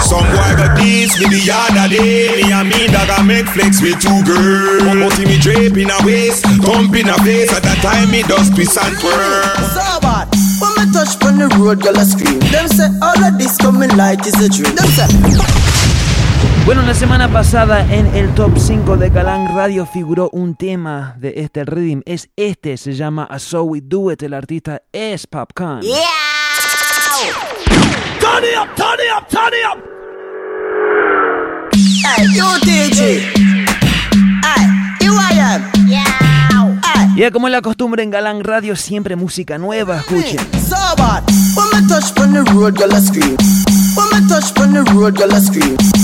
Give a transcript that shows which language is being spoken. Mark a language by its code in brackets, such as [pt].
[en] Some boy got this with the other day. Me and me dog a make flex with two girls. One more me drape in a waist, thump in a face. At that time me does twist and twirl. So bad. When me touch on the road, girl, I scream. Them say all of this coming light is a dream. Them say. [es] Bueno, la semana pasada en el Top 5 de Galán Radio figuró un tema de este rhythm. Es este, se llama A So We Do It. El artista es Popcorn. [en] Yeah. Turn it up. Hey, yo, DJ. Hey, here I am. [es] Ya, como es la costumbre en Galán Radio, siempre música nueva, escuchen. [en] So bad. When me touch on the road, girl, I scream. When me touch on the road, girl, I scream.